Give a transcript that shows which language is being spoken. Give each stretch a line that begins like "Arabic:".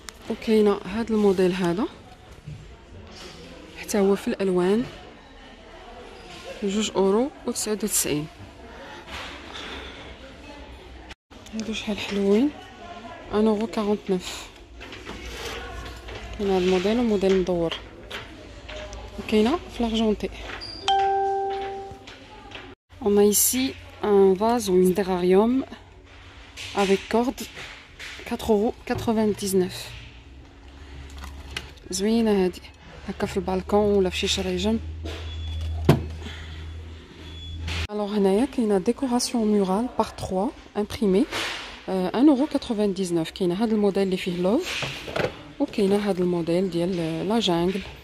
Arabic: وكاينة هاد الموديل هذا حتى هو في الألوان 2 أورو و99. هادو شحال حلوين 1 أورو 49. كاين هاد الموديل وموديل مدور وكاينه في لارجونتي.
French: On a ici un vase ou une terrarium avec corde 4,99 €.
Arabic: زوينه هادي هكا في البالكون ولا في شي شريجم. alors هنايا كاينه ديكوراسيون مورال بار 3 امبريمي 1,99 €. كاينه هاد الموديل اللي فيه لوف وكاينه هاد الموديل ديال لا جانغل.